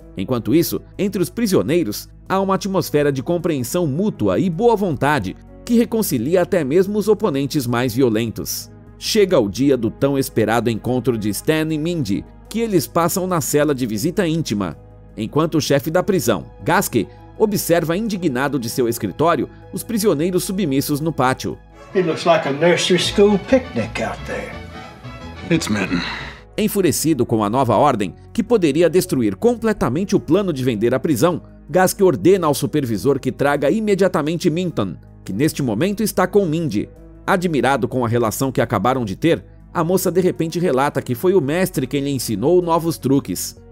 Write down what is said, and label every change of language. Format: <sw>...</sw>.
<pt>Enquanto isso, entre os prisioneiros, há uma atmosfera de compreensão mútua e boa vontade que reconcilia até mesmo os oponentes mais violentos. Chega o dia do tão esperado encontro de Stan e Mindy, que eles passam na cela de visita íntima. Enquanto o chefe da prisão, Gask, observa indignado de seu escritório os prisioneiros submissos no pátio.</pt> <en>It looks like a nursery school picnic out there. It's men.</en> <pt>Enfurecido com a nova ordem, que poderia destruir completamente o plano de vender a prisão, Gask ordena ao supervisor que traga imediatamente Minton, que neste momento está com Mindy. Admirado com a relação que acabaram de ter, a moça de repente relata que foi o mestre quem lhe ensinou novos truques.</pt>